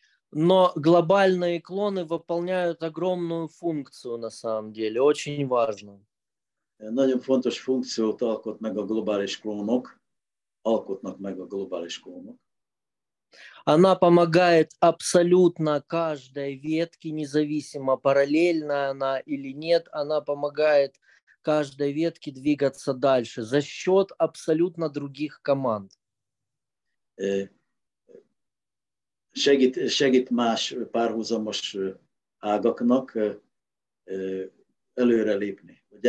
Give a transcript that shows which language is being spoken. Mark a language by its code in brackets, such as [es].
[ru] Но глобальные клоны выполняют огромную функцию на самом деле, очень важную. [hu] Nagyon fontos funkciót alkot meg a globális klónok, alkotnak meg a globális klónok. [ru] Она помогает абсолютно каждой ветке, независимо параллельна она или нет, она помогает каждой ветке двигаться дальше за счет абсолютно других команд. [hu] Segít más párhuzamos ágaknak előre lépni.